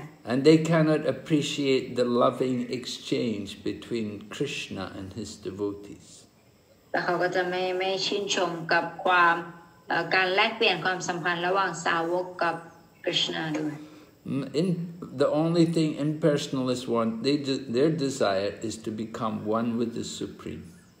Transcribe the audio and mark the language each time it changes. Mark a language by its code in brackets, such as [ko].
[en] And they cannot appreciate the loving exchange between Krishna and his devotees. [th] แล้วเขาก็จะไม่ชื่นชมกับความการแลกเปลี่ยนความสัมพันธ์ระหว่างสาวกกับ Krishna ด้วย [en] In the only thing impersonalists want, they their desire is to become one with the Supreme.